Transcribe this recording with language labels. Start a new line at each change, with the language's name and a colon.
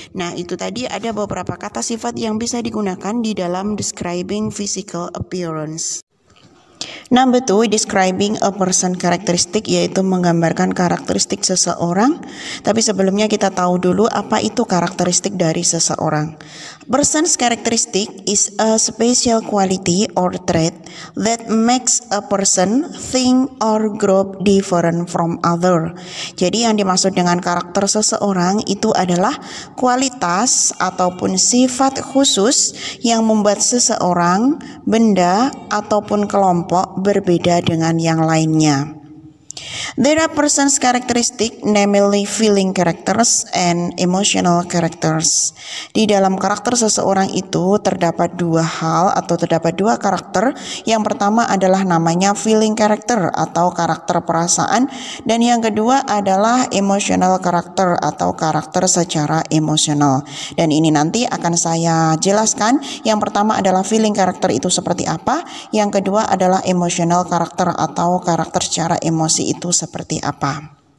Indonesian: Nah, itu tadi ada beberapa kata sifat yang bisa digunakan di dalam
English: describing physical appearance. Number 2, describing a person characteristic,
Indonesian: yaitu menggambarkan karakteristik seseorang. Tapi sebelumnya kita tahu dulu apa itu karakteristik dari seseorang.
English: Person's characteristic is a special quality or trait that makes a person think or group different from other.
Indonesian: Jadi yang dimaksud dengan karakter seseorang itu adalah kualitas ataupun sifat khusus yang membuat seseorang, benda, ataupun kelompok berbeda dengan yang lainnya.
English: There are person's characteristics, namely feeling characters and emotional characters.
Indonesian: Di dalam karakter seseorang itu terdapat dua hal atau terdapat dua karakter. Yang pertama adalah namanya feeling character atau karakter perasaan, dan yang kedua adalah emotional character atau karakter secara emosional. Dan ini nanti akan saya jelaskan. Yang pertama adalah feeling character itu seperti apa, yang kedua adalah emotional character atau karakter secara emosi itu seperti apa.